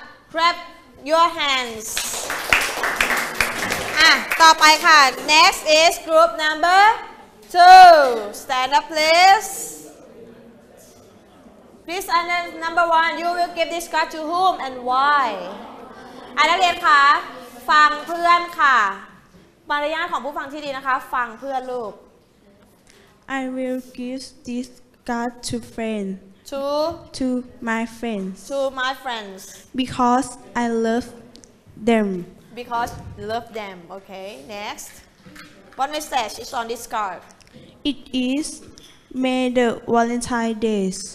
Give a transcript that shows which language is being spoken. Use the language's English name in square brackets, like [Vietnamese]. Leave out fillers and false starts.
[English] Clap your hands. [Thai] ต่อไปค่ะ [English] Next is group number two. Stand up, please. Please, and then number one, you will give this card to whom and why? [Thai] นักเรียนคะฟังเพื่อนค่ะมารยาทของผู้ฟังที่ดีนะคะฟังเพื่อนลูก [English] I will give this card to friends. To? To my friends. To my friends. Because I love them. Because love them. Okay, next. What message is on this card? It is, May the Valentine's Day.